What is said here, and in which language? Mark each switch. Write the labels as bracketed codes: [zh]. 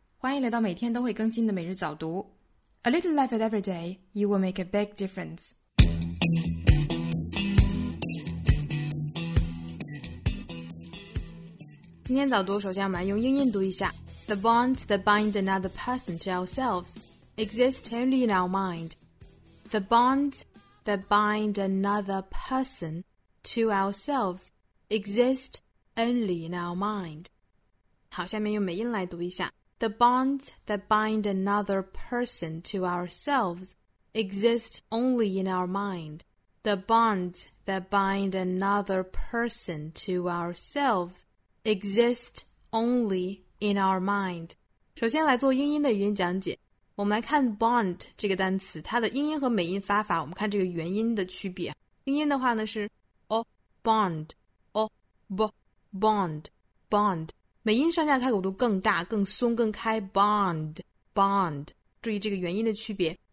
[zh] 欢迎来到每天都会更新的每日早读。 [en] A little effort every day, you will make a big difference. [zh] 今天早读首先我们用英音读一下。 [en] The bonds that bind another person to ourselves exist only in our mind. The bonds that bind another person to ourselves exist only in our mind. [zh] 好，下面用美音来读一下。 [en] The bonds that bind another person to ourselves exist only in our mind. The bonds that bind another person to ourselves exist only in our mind. [zh] 首先来做英音的语音讲解。我们来看 bond 这个单词，它的英音和美音发法，我们看这个元音的区别。英音的话呢是 o bond, o b bond, bond. 美音上下开口度更大更松更开 bond, bond, 注意这个元音的区别。